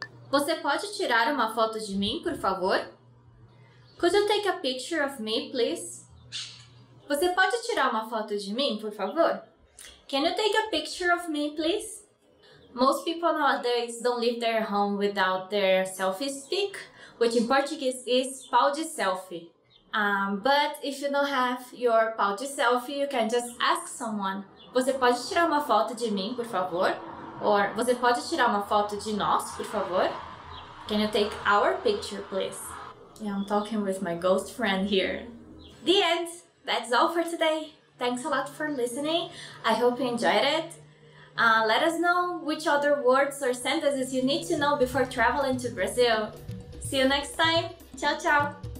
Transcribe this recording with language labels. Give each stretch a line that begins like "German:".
Portuguese: Você pode tirar uma foto de mim, por favor?
English: Could you take a picture of me, please?
Portuguese: Você pode tirar uma foto de mim, por favor?
English: Can you take a picture of me, please? Most people nowadays don't leave their home without their selfie stick, which in Portuguese is pau de selfie. But if you don't have your pau de selfie, you can just ask someone,
Portuguese: você pode tirar uma foto de mim, por favor? Or, você pode tirar uma foto de nós, por favor?
English: Can you take our picture, please? Yeah, I'm talking with my ghost friend here. The end! That's all for today. Thanks a lot for listening. I hope you enjoyed it. Let us know which other words or sentences you need to know before traveling to Brazil. See you next time. Tchau, tchau.